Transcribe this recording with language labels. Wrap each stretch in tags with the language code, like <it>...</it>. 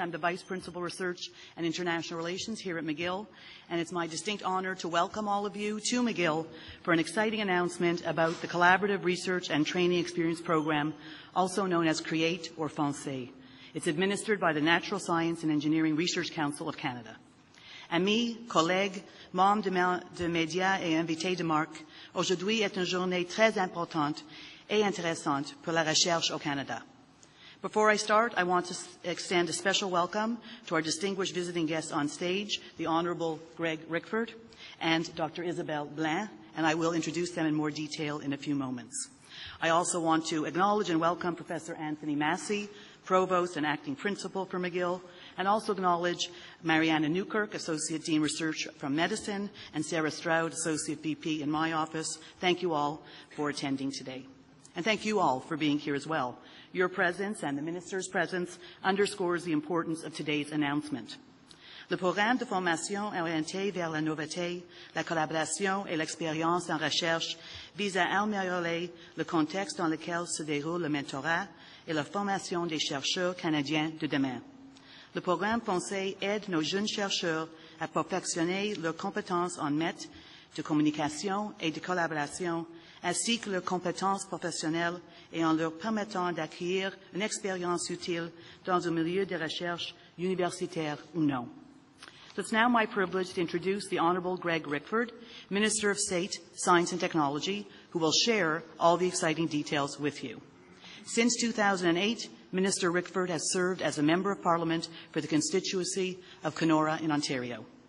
<en>I'm the Vice Principal Research and International Relations here at McGill, and it's my distinct honor to welcome all of you to McGill for an exciting announcement about the Collaborative Research and Training Experience Program, also known as CREATE or FONCE. It's administered by the Natural Science and Engineering Research Council of Canada.</en> <fr>Amis, collègues, membres de médias et invités de marque, aujourd'hui est une journée très importante et intéressante pour la recherche au Canada.</fr> <en>Before I start, I want to extend a special welcome to our distinguished visiting guests on stage, the Honourable Greg Rickford and Dr. Isabelle Blain, and I will introduce them in more detail in a few moments. I also want to acknowledge and welcome Professor Anthony Massey, Provost and Acting Principal for McGill, and also acknowledge Mariana Newkirk, Associate Dean Research from Medicine, and Sarah Stroud, Associate VP in my office. Thank you all for attending today. And thank you all for being here as well. Your presence and the Minister's presence underscores the importance of today's announcement.</en> <fr>Le programme de formation orienté vers la nouveauté, la collaboration et l'expérience en recherche vise à améliorer le contexte dans lequel se déroule le mentorat et la formation des chercheurs canadiens de demain. Le programme FONCE aide nos jeunes chercheurs à perfectionner leurs compétences en maths, de communication et de collaboration, ainsi que leurs compétences professionnelles et en leur permettant d'acquérir une expérience utile dans un milieu de recherche universitaire ou non.</fr> <en>So it's now my privilege to introduce the Honourable Greg Rickford, Minister of State, Science and Technology, who will share all the exciting details with you. Since 2008, Minister Rickford has served as a Member of Parliament for the constituency of Kenora in Ontario.</en>